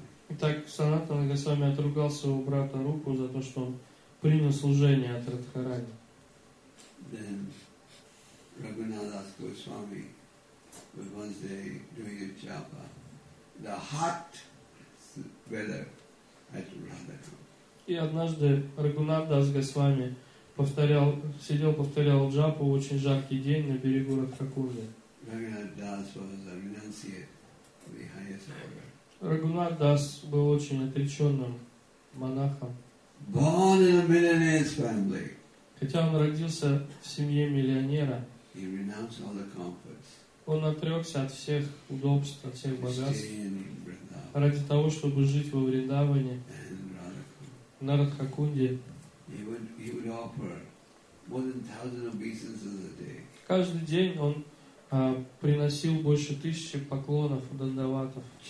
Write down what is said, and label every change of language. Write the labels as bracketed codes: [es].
[ru] Итак, Санатана Госвами отругал своего брата Рупу за то, что он принял служение от Радхарани. [en] Then Raghunadas Goswami was one day doing a japa. The hot weather at Radhakund. [ru] И однажды Рагунадас Госвами повторял джапу в очень жаркий день на берегу Радхакунды. [en] Raghunadas was a renunciate of the highest order. [ru] Рагунадас был очень отреченным монахом. [en] Born in a millionaire's family. [ru] Хотя он родился в семье миллионера. [en] He renounced all the comforts. [ru] Он отрекся от всех удобств, от всех богатств. Ради того, чтобы жить во Вриндаване. На Радхакунде. [en] He would offer more than 1,000 obeisances a day. [ru] Каждый день он приносил больше 1,000 поклонов дандаватов.